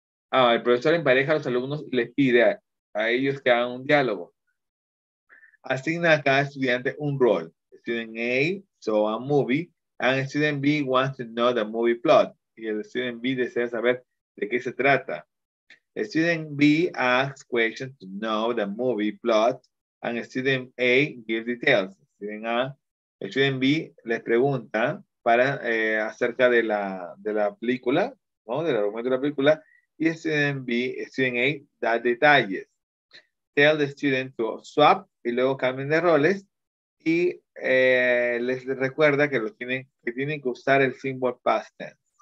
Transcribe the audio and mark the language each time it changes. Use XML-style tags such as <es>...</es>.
<es>Ah, el profesor empareja a los alumnos y les pide a ellos que hagan un diálogo. Asigna a cada estudiante un rol.</es> <en>Student A saw a movie and student B wants to know the movie plot.</en> <es>Y el student B desea saber de qué se trata.</es> <en>Student B asks questions to know the movie plot and student A gives details.</en> <es>Student B les pregunta para acerca de la película, ¿no? Del argumento de la película. Y student A da detalles.</es> <en>Tell the student to swap</en> <es>y luego cambien de roles y les recuerda que tienen que usar el simple past tense.</es>